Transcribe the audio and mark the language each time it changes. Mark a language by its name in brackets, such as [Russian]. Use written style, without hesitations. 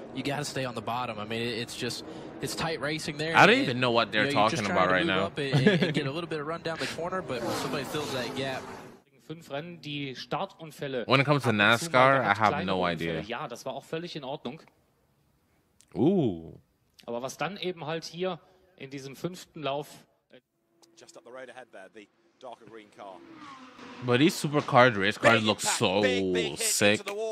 [English] You got to stay on the bottom. I mean, it's just, it's tight racing there. I don't even know what they're talking about right now. You're just trying to move up and get a little bit of run down the corner, but when somebody fills that gap. When it comes to NASCAR, I have no idea. [German] Ja, das war auch völlig in Ordnung. Aber was dann eben halt hier in diesem fünften Lauf. [English] Just up the road ahead there, the darker green car. But these supercar race cars look so sick.